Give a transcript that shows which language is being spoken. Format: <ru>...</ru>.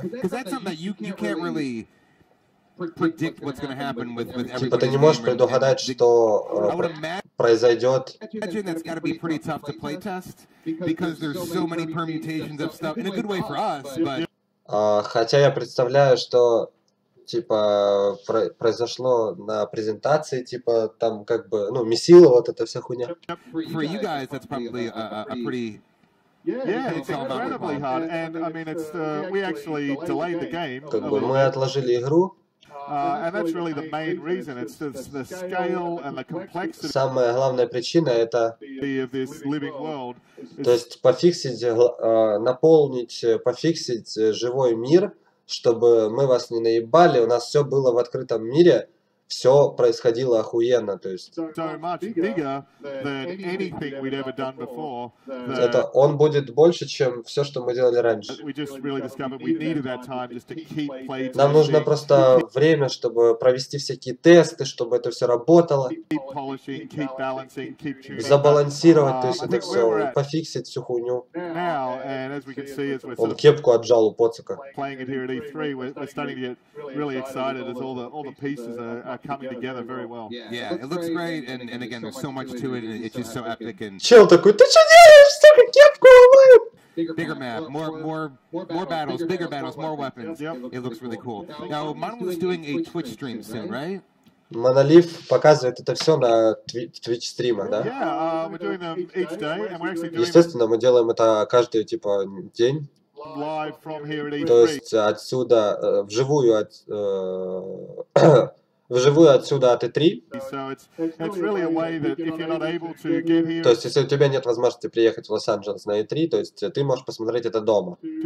<en>Because that's something that you can't really predict what's going to happen with everything.</en> <ru>Типа ты не можешь предугадать, что произойдет.</ru> <en>Imagine that's got to be pretty tough to play test because there's so many permutations of stuff in a good way for us, but</en> <ru>хотя я представляю, что типа произошло на презентации, типа там как бы, ну, месило вот эта вся хуйня.</ru> <en>For you guys that's probably a pretty. Yeah, it's incredibly hard, and I mean it's we actually delayed the game.</en> <ru>Как бы мы отложили игру.</ru> <en>And that's really the main reason. It's the scale and the complexity.</en> <ru>Самая главная причина это. То есть пофиксить, наполнить, пофиксить живой мир, чтобы мы вас не наебали. У нас все было в открытом мире, все происходило охуенно. То есть.</ru> <en>So much bigger than anything we'd ever done before.</en> <ru>Это он будет больше, чем все, что мы делали раньше.</ru> <en>We just really discovered we needed that time just to keep playing.</en> <ru>Нам нужно просто время, чтобы провести всякие тесты, чтобы это все работало.</ru> <en>Keep polishing, keep balancing, keep tuning.</en> <ru>Забалансировать, то есть это все, пофиксить всю хуйню.</ru> <en>Now, and as we can see, as we're</en> <ru>он кепку отжал у поцика.</ru> <en>Playing it here at E3, we're starting to get really excited as all the pieces are coming together very well. Yeah, it looks great, and again, there's so much to it, and it's just so epic. And</en> <ru>чел такой, ты что делаешь, сука, кепку ломает?</ru> <en>Bigger map, more battles, bigger battles, more weapons. Yep. It looks really cool. Now, Monolith is doing a Twitch stream soon, right?</en> <ru>Monolith показывает это все на Twitch стримах, да?</ru> <en>Yeah, we're doing them each day, and we're actually doing.</en> <ru>Естественно, мы делаем это каждый типа день.</ru> <en>Live from here at E3.</en> <ru>То есть отсюда вживую от. Вживую отсюда от E3. То есть, если у тебя нет возможности приехать в Лос-Анджелес на E3, то есть ты можешь посмотреть это дома.</ru>